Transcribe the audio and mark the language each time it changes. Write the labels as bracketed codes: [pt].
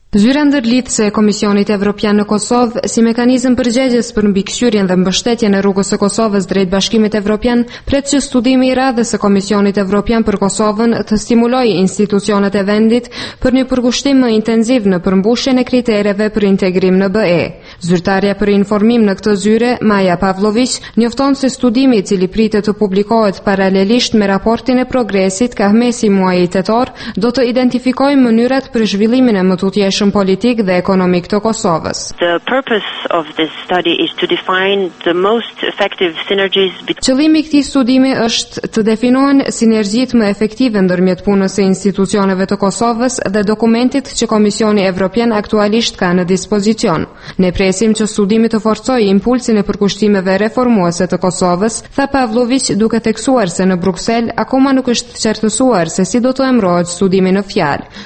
[sq] Zyra ndërlidhëse e Komisionit Evropian në Kosovë, si mekanizëm përgjegjës për mbikëqyrjen dhe mbështetjen e rrugës së Kosovës drejt Bashkimit Evropian, pret që studimi i radhës së Komisionit Evropian për Kosovën të stimulojë institucionet e vendit për një përkushtim më intenziv në përmbushjen e kritereve për integrim në BE. Zyrtarja për informim në këtë zyre, Maja Pavlovic, njofton se studimi i cili pritet të publikohet paralelisht me raportin e progresit ka mesi muajit tetor, do të identifikojë mënyrat për zhvillimin e mbështetjes politik dhe ekonomik të Kosovës. [en] The purpose of this study is to define the most effective synergies between. [sq] Qëllimi i këtij studimi është të definohen sinergjitë më efektive ndërmjet punës së institucioneve të Kosovës dhe dokumentit që Komisioni Evropian aktualisht ka në dispozicion. Ne presim që studimi të forcojë impulsin e përkushtimeve reformuese të Kosovës, tha Pavlovic, duke theksuar se në Bruksel akoma nuk është qartësuar se si do të emërohet studimi në fjalë.